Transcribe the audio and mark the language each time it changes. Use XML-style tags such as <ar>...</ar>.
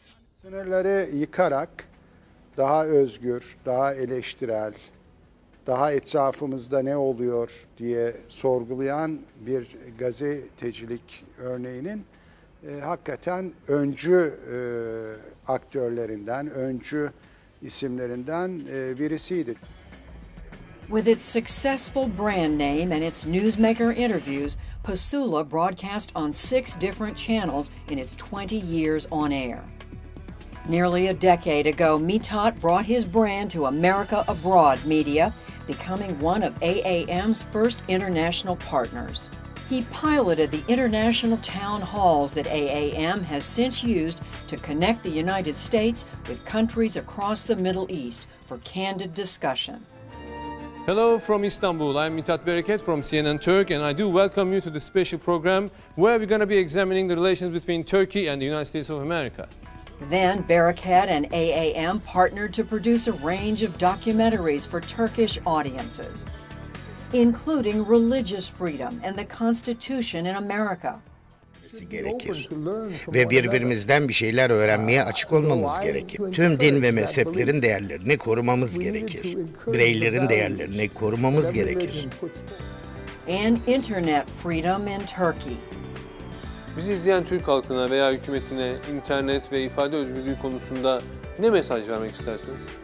<tr>Sınırları yıkarak daha özgür, daha eleştirel, daha etrafımızda ne oluyor diye sorgulayan bir gazetecilik örneğinin hakikaten öncü aktörlerinden, öncü isimlerinden birisiydi.</tr> <en>With its successful brand name and its newsmaker interviews, Pusula broadcast on 6 different channels in its 20 years on air. Nearly a decade ago, Mithat brought his brand to America Abroad Media, becoming one of AAM's first international partners. He piloted the international town halls that AAM has since used to connect the United States with countries across the Middle East for candid discussion. Hello from Istanbul. I'm Mithat Bereket from CNN Turk, and I do welcome you to the special program where we're going to be examining the relations between Turkey and the United States of America. Then Bereket and AAM partnered to produce a range of documentaries for Turkish audiences, including religious freedom and the Constitution in America.</en> <tr>Gerekir. Ve birbirimizden bir şeyler öğrenmeye açık olmamız gerekir. Tüm din ve mezheplerin değerlerini korumamız gerekir. Bireylerin değerlerini korumamız gerekir.</tr> <en>And internet freedom in Turkey.</en> <tr>Bizi izleyen Türk halkına veya hükümetine internet ve ifade özgürlüğü konusunda ne mesaj vermek istersiniz?</tr>